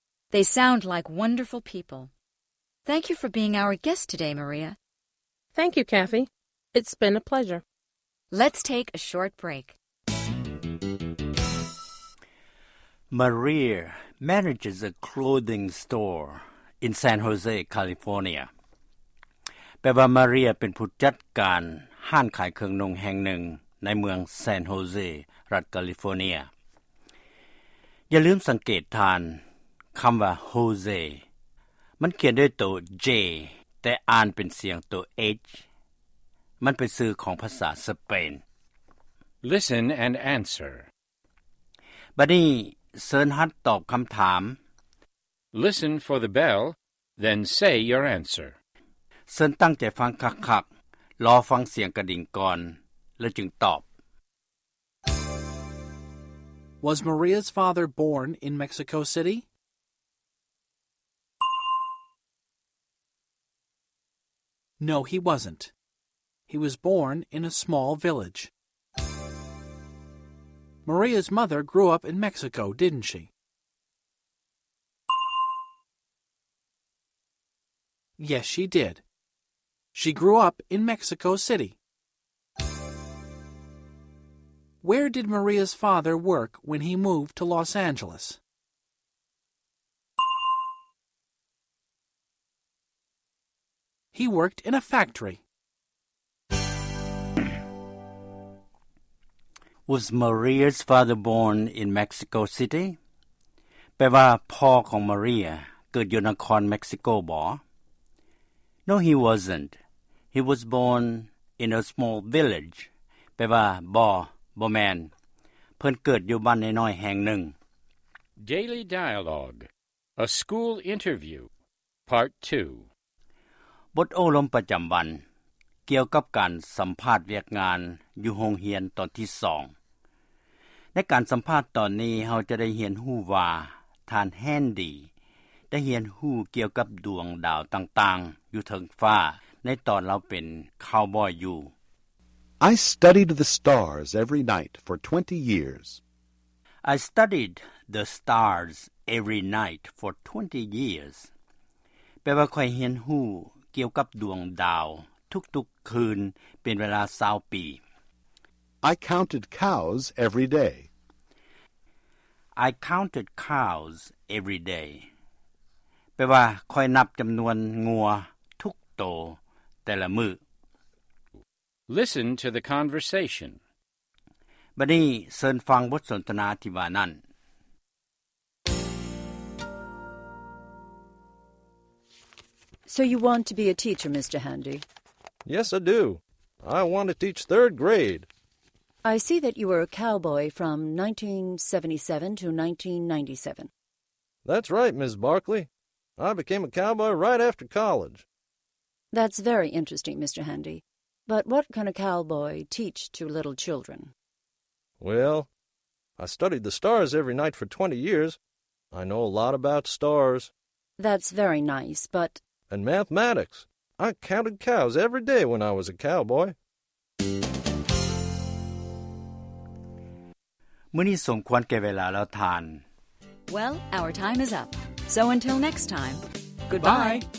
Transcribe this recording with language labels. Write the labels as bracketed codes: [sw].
[en] They sound like wonderful people. Thank you for being our guest today, Maria. Thank you, Kathy. It's been a pleasure. Let's take a short break. Maria manages a clothing store in San Jose, California. [th] แปลว่า Maria เป็นผู้จัดการห้างขายเครื่องนุ่งแห่งหนึ่งในเมือง San Jose, รัฐ California. อย่าลืมสังเกตทานคำว่า Jose มันเขียนด้วยตัว J แต่อ่านเป็นเสียงตัว H มันเป็นสื่อของภาษาสเปน [en] Listen and answer [th] บัดนี้เซินฮัทตอบคำถาม [en] Listen for the bell then say your answer [th] เซินตั้งใจฟังคักๆรอฟังเสียงกระดิ่งก่อนแล้วจึงตอบ [en] Was Maria's father born in Mexico City? No, he wasn't. He was born in a small village. Maria's mother grew up in Mexico, didn't she? Yes, she did. She grew up in Mexico City. Where did Maria's father work when he moved to Los Angeles? He worked in a factory. Was Maria's father born in Mexico City? [th] แปลว่าพ่อของ Maria เกิดอยู่นครเม็กซิโกบ่ [en] No, he wasn't. He was born in a small village. [th] แปลว่าบ่แมนเพิ่นเกิดอยู่บ้านน้อยๆแห่งหนึ่ง [en] Daily Dialogue A School Interview Part 2 [th] บทโอลมประจำวันเกี่ยวกับการสัมภาษณ์เรียกงานอยู่โรงเรียนตอนที่2 ในการสัมภาษณ์ตอนนี้เฮาจะได้เรียนรู้ว่าท่านแฮนดี้ได้เรียนรู้เกี่ยวกับดวงดาวต่างๆอยู่ถึงฟ้าในตอนเราเป็นคาวบอยอยู่ [en] I studied the stars every night for 20 years. I studied the stars every night for 20 years. [th] แปลว่าข่อยเรียนรู้เกี่ยวกับดวงดาวทุกๆคืนเป็นเวลา20ปี [en] I counted cows every day. I counted cows every day. [th] แปลว่าคอยนับจำนวนงัวทุกโตแต่ละมื้อ [en] Listen to the conversation. [th] บัดนี้เชิญฟังบทสนทนาที่ว่านั้น [en] So you want to be a teacher, Mr. Handy? Yes, I do. I want to teach third grade. I see that you were a cowboy from 1977 to 1997. That's right, Ms. Barkley. I became a cowboy right after college. That's very interesting, Mr. Handy. But what can a cowboy teach to little children? Well, I studied the stars every night for 20 years. I know a lot about stars. That's very nice, but... And mathematics. I counted cows every day when I was a cowboy. [th] มื้อนี้สมควรแก่เวลาแล้วท่าน [en] Well, our time is up. So until next time. Goodbye.